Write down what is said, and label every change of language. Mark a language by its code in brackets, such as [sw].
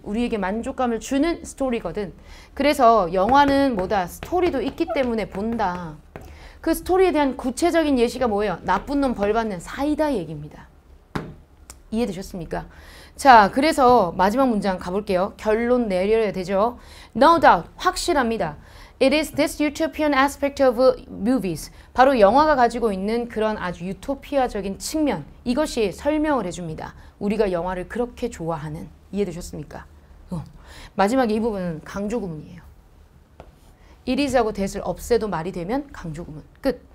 [ko] 우리에게 만족감을 주는 스토리거든. 그래서 영화는 뭐다? 스토리도 있기 때문에 본다. 그 스토리에 대한 구체적인 예시가 뭐예요? 나쁜 놈 벌받는 사이다 얘기입니다. 이해되셨습니까? 자, 그래서 마지막 문장 가볼게요. 결론 내려야 되죠. [en] No doubt, [ko] 확실합니다. [en] It is this utopian aspect of movies. [ko] 바로 영화가 가지고 있는 그런 아주 유토피아적인 측면. 이것이 설명을 해줍니다. 우리가 영화를 그렇게 좋아하는. 이해되셨습니까? 마지막에 이 부분은 강조구문이에요. It is하고 that을 없애도 말이 되면 강조구문. 끝.